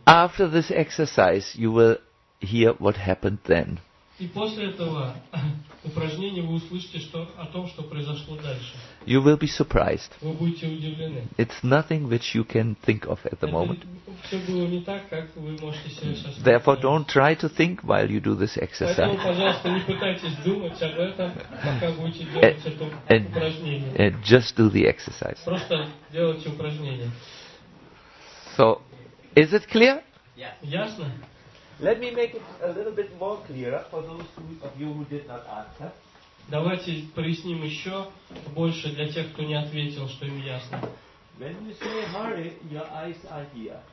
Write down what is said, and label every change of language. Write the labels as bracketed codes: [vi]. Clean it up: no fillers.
[en] After this exercise, you will hear what happened then. [ru] И после этого упражнения вы услышите о том, что произошло дальше. [en] You will be surprised. [ru] Вы будете удивлены. [en] It's nothing which you can think of at the moment. [ru] Все было не так, как вы можете себе сейчас. [en] Therefore, don't try to think while you do this exercise. [ru] Поэтому, пожалуйста, не пытайтесь думать об этом, пока будете делать это упражнение. [en] And just do the exercise. [ru] Просто делайте упражнение. [en] So, is it clear? Yes. [ru] Ясно? [en] Let me make it a little bit more clearer for those of you who did not answer. [ru] Давайте проясним еще больше для тех, кто не ответил, что им ясно. [en] When you say Hare, your eyes are here.